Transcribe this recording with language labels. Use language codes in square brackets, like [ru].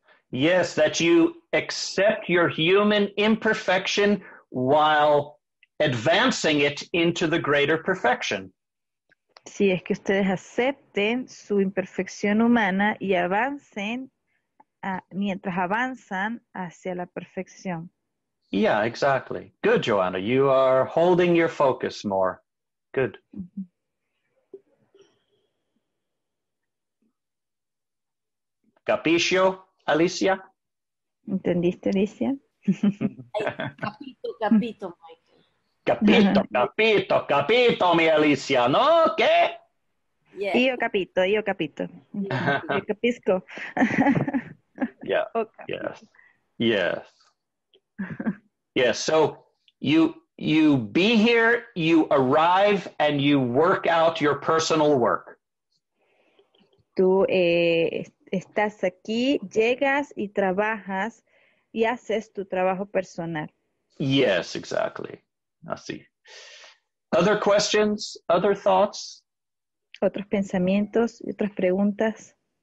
[en] Yes, that you accept your human imperfection while advancing it into the greater perfection. [es] Sí, es que ustedes acepten su imperfección humana y avancen mientras avanzan hacia la perfección. [en] Yeah, exactly. Good, Joanna. You are holding your focus more. Good. [it] Capisco, Alicia? [es] ¿Entendiste, Alicia? [it] Capito, Mike. [es] Capito, mi Alicia, ¿no? ¿Qué? [it] Yeah. Yo capito. Yo capisco. [en] Yeah. Okay. Yes. Yes. So you be here, you arrive, and you work out your personal work. [es] Tú estás aquí, llegas y trabajas y haces tu trabajo personal. [en] Yes, exactly. I see. Other questions, other thoughts? [es] Otros pensamientos y otras preguntas.